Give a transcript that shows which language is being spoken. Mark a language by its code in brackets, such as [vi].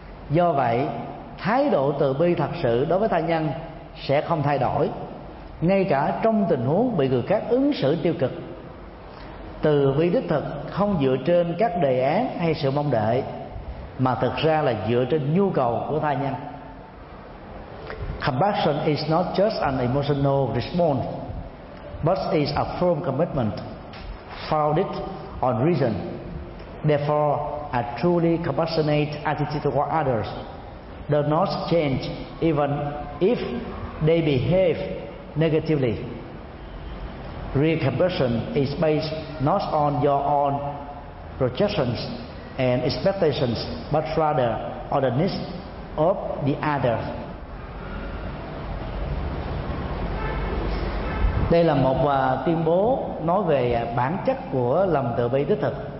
[vi] Do vậy, thái độ từ bi thật sự đối với tha nhân sẽ không thay đổi, ngay cả trong tình huống bị người khác ứng xử tiêu cực. Từ bi đích thực không dựa trên các đề án hay sự mong đợi, mà thực ra là dựa trên nhu cầu của tha nhân. [en] Compassion is not just an emotional response, but is a firm commitment founded on reason. Therefore, a truly compassionate attitude toward others does not change even if they behave negatively. Real compassion is based not on your own projections and expectations, but rather on the needs of the other. [vi] Đây là một tuyên bố nói về bản chất của lòng từ bi đích thực.